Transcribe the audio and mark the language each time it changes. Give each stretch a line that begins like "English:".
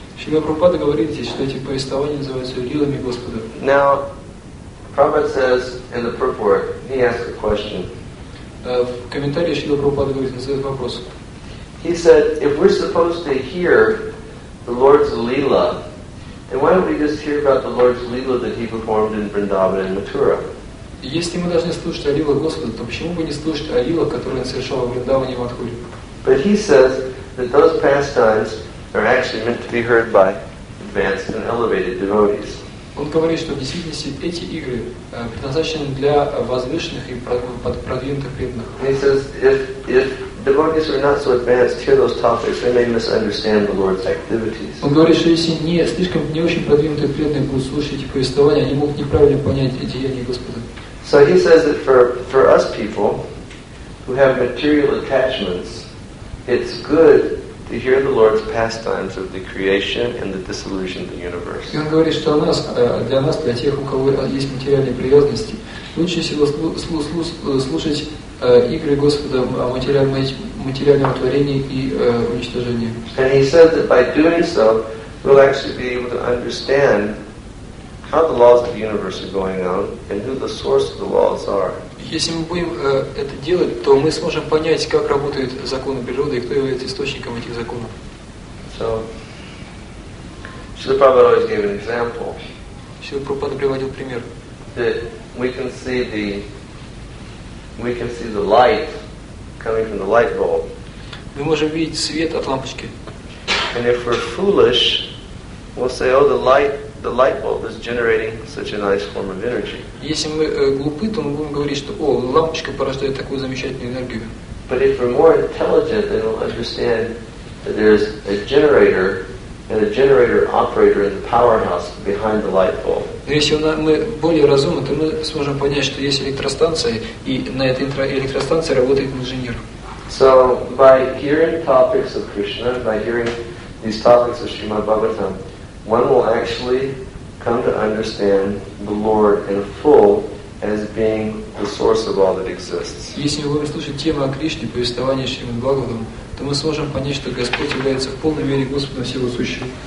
Russian: Шрила Прабхупада говорит здесь, что эти повествования называются лилами Господа.
English: Now, Prabhupada says in the purport, he asks a question.
Russian: В комментарии Шрила Прабхупада говорит, задает вопрос.
English: He said, if we're supposed to hear the Lord's Lila, then why don't we just hear about the Lord's Lila that he performed in Vrindavan and Mathura?
Russian: Если мы должны слушать о лилах Господа, то почему бы не слушать о лилах, которые он совершал в Вриндаване и Матхуре?
English: But he says that those pastimes are actually meant to be heard by advanced and elevated devotees.
Russian: Он говорит, что в действительности эти игры предназначены для возвышенных и продвинутых преданных.
English: He says, if devotees are not so advanced, hear those topics, they may misunderstand the Lord's activities.
Russian: Он говорит, что если не слишком не очень продвинутые преданные будут слушать эти повествования, они могут неправильно понять деяния Господа.
English: So he says that for us people who have material attachments, it's good to hear the Lord's pastimes of the creation and the dissolution of the universe.
Russian: И он говорит, что для нас, для тех, у кого есть материальные привязанности, лучше всего слушать игры Господа о материальном творении и уничтожении.
English: And he says that by doing so, we'll actually be able to understand how the laws of the universe are going on and who the source of the laws are.
Russian: Если мы будем это делать, то мы сможем понять, как работают законы природы и кто является источником этих законов.
English: So, Srila Prabhupada always gave an example.
Russian: Srila Prabhupada приводил пример.
English: We can see the light coming from the light bulb.
Russian: Мы можем видеть свет от лампочки.
English: And if we're foolish, we'll say, oh, the light the light bulb is generating such a nice form of energy.
Russian: Если мы глупы, то мы будем говорить, что, о, лампочка порождает такую замечательную энергию.
English: But if we're more intelligent, then we'll understand that there's a generator and a generator operator in the powerhouse behind the light bulb.
Russian: Если мы более разумны, то мы сможем понять, что есть электростанция, и на этой электростанции работает инженер.
English: So by hearing topics of Krishna, by hearing these topics of Srimad Bhagavatam, one will actually come to understand the Lord in full as being the source of all that exists.
Russian: Если мы будем слушать темы о Кришне, повествование о Шримад Бхагаватам, то мы сможем понять, что Господь является в полной мере Господом всего сущего.